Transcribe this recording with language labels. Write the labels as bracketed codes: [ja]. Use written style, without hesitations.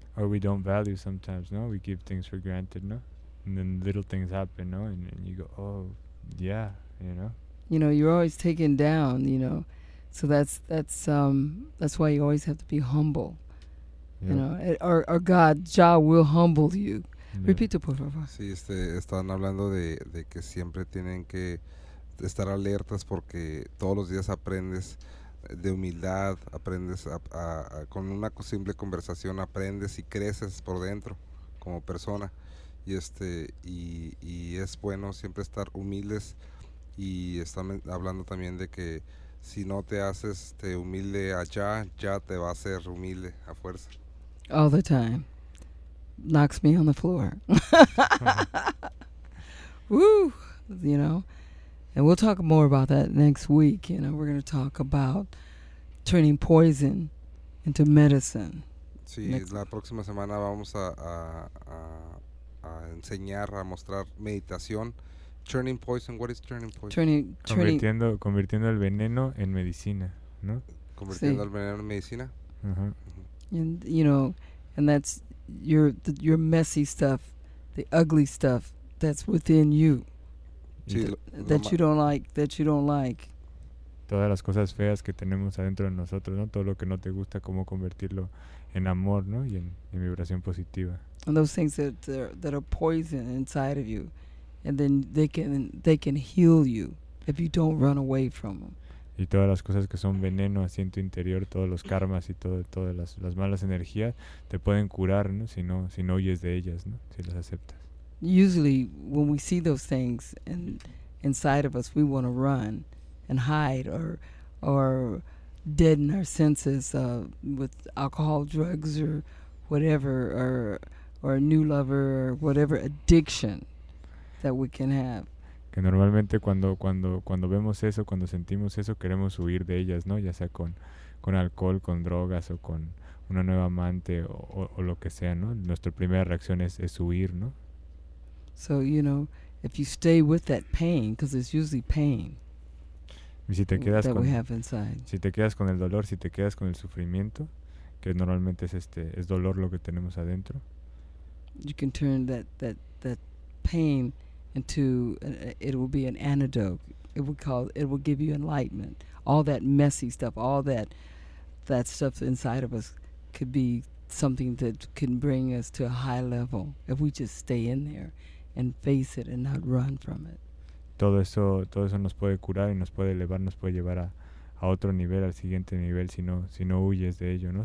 [en] Or we don't value sometimes, no? We give things for granted, no? And then little things happen, no? And you go, oh, yeah, you know? You know, you're always taken down, you know? So that's why you always have to be humble. Yeah. You know, our God, Jah, will humble you. [es] Yeah. Repito, por favor. Sí, están hablando de que siempre tienen que estar alertas, porque todos los días aprendes de humildad, aprendes a con una simple conversación, aprendes y creces por dentro como persona. Y y es bueno siempre estar humildes. Y están hablando también de que si no te haces humilde allá, ya te va a hacer humilde a fuerza. [en] All the time. Knocks me on the floor. Woo! You know? And we'll talk more about that next week. You know, we're going to talk about turning poison into medicine. [es] Sí, la próxima semana vamos a enseñar, a mostrar meditación. [en] Turning poison, what is turning poison? [es] Convirtiendo el veneno en medicina, ¿no? Convirtiendo el veneno en medicina. Uh-huh. [en] And, you know, and that's your messy stuff, the ugly stuff that's within you. [es] Sí, [en] that you don't like. [es] Todas las cosas feas que tenemos adentro de nosotros, ¿no? Todo lo que no te gusta, cómo convertirlo en amor, ¿no? Y en vibración positiva. [en] And those things that are poison inside of you. And then they can heal you if you don't run away from them. [es] Y todas las cosas que son veneno así en tu interior, todos los karmas y todas las malas energías, te pueden curar, ¿no? Si no huyes de ellas, ¿no? Si las aceptas. Usually when we see those things inside of us, we want to run and hide or deaden our senses with alcohol, drugs, or whatever, or a new lover, or whatever addiction that we can have. Que normalmente cuando vemos eso, cuando sentimos eso, queremos huir de ellas, ¿no? Ya sea con alcohol, con drogas, o con una nueva amante, o lo que sea, ¿no? Nuestra primera reacción es huir, ¿no? [en] So, you know, if you stay with that pain, because it's usually pain, [es] si te quedas con el dolor, si te quedas con el sufrimiento, que normalmente es dolor lo que tenemos adentro, [en] you can turn that pain into it will be an antidote. It will give you enlightenment. All that messy stuff, all that stuff inside of us could be something that can bring us to a high level if we just stay in there and face it and not run from it. [es] Todo eso nos puede curar y nos puede elevar, nos puede llevar a otro nivel, al siguiente nivel, si no huyes de ello, ¿no?